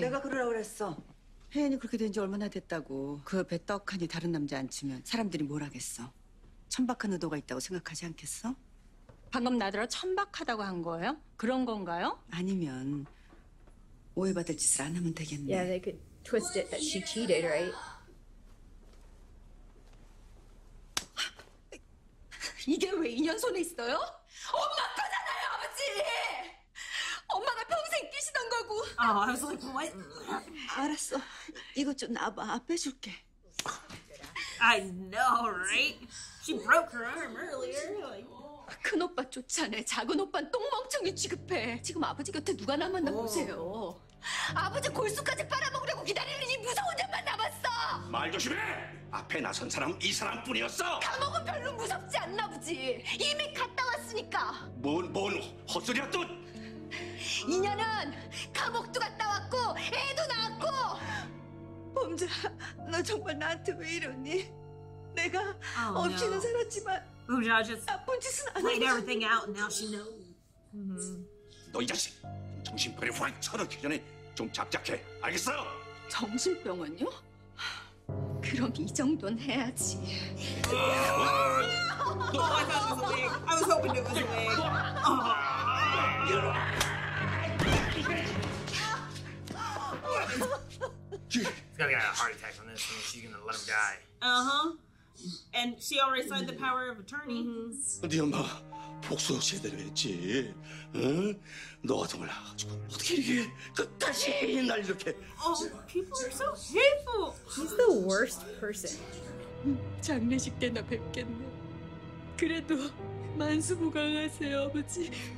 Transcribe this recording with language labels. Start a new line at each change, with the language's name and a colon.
Korean: 내가 그러라고 그랬어. 혜인이 그렇게 된 지 얼마나 됐다고. 그 옆에 떡하니 다른 남자 앉히면 사람들이 뭘 하겠어. 천박한 의도가 있다고 생각하지 않겠어? 방금 나더러 천박하다고 한 거예요? 그런 건가요? 아니면 오해받을 짓을 안 하면 되겠네.
English: Yeah, they could twist it that she cheated, right?
Korean: 이게 왜 인연 손에 있어요? 엄마 거잖아요, 아버지! 엄마가 평생 끼시던 거고!
English: Oh, I was like, what?
Korean: 알았어, 이거 좀 놔봐, 빼줄게.
English: I know, right? She broke her arm earlier.
Korean: 큰 오빠 쫓아내, 작은 오빠는 똥멍청이 취급해. 지금 아버지 곁에 누가 남았나 보세요. 아버지 골수까지 빨아먹으려고 기다리는 이 무서운 년만 남았어! 말 조심해! 앞에 나선 사람 이 사람뿐이었어! 감옥은 별로 무섭지 않나 보지! 이미 갔다 왔으니까! 뭔 헛소리야 뚜! 인연은 감옥도 갔다 왔고 애도 낳았고! 범자, 너 정말 나한테 왜 이러니? 내가 없이는 살았지만
English: 범자 just laid everything out and now she knows.
Korean: 너 이 자식! 정신병에 확 쳐넣기 전에 좀 작작해, 알겠어? 정신병은요? 그럼 이 정도는 해야지.
English: Oh, I thought it was a wig. I was hoping it was a wig. She's gonna get a heart attack on this, and she's gonna let him die. Uh-huh. And she already signed the power of attorney.
Korean: 네 엄마 복수 제대로 했지, 응? 너가 돈을 나가지고 어떻게 이렇게 끝까지 날 이렇게.
English: Oh, people are so hateful. He's the worst person.
Korean: 장례식 때나 뵙겠네. 그래도 만수무강하세요, 아버지.